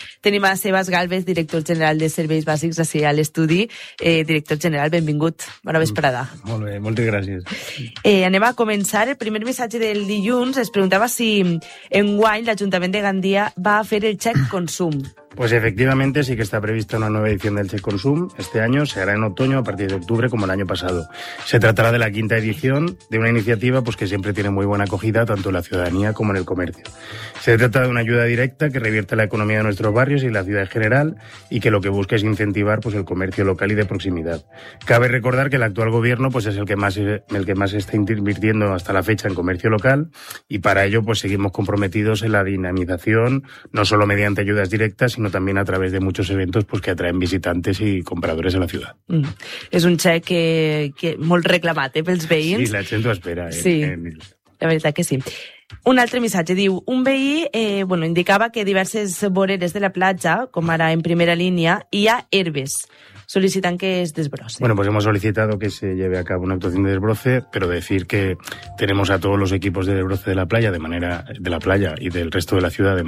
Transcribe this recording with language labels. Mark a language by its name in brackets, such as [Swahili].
[Catalan] Tenim a Sebas Gálvez, director general de Serveis Bàsics, aquí a l'estudi. Director general, benvingut. Bona vesprada. Molt bé, moltes gràcies. Anem a començar. El primer missatge del dilluns es preguntava si enguany l'Ajuntament de Gandia va a fer el xec consum. [Spanish] Pues efectivamente sí que está prevista una nueva edición del Check Consum. Este año se hará en otoño a partir de octubre como el año pasado. Se tratará de la quinta edición de una iniciativa pues que siempre tiene muy buena acogida tanto en la ciudadanía como en el comercio. Se trata de una ayuda directa que revierte la economía de nuestros barrios y la ciudad en general y que lo que busca es incentivar pues el comercio local y de proximidad. Cabe recordar que el actual gobierno pues es el que más está invirtiendo hasta la fecha en comercio local y para ello pues seguimos comprometidos en la dinamización no solo mediante ayudas directas sino también a través de muchos eventos pues, que atraen visitantes y compradores a la ciudad. [Catalan] Es un xec que molt reclamat pels veïns. Sí, la gent ho espera. Sí, la veritat que sí. Un altre missatge diu, un veí indicava que diverses voreres de la platja, com ara en primera línia, hi ha herbes. [Spanish] Solicitan que es desbroce. Bueno, pues hemos solicitado que se lleve a cabo una actuación de desbroce, pero decir que tenemos a todos los equipos de desbroce de la playa, de manera de la playa y del resto de la ciudad, de manera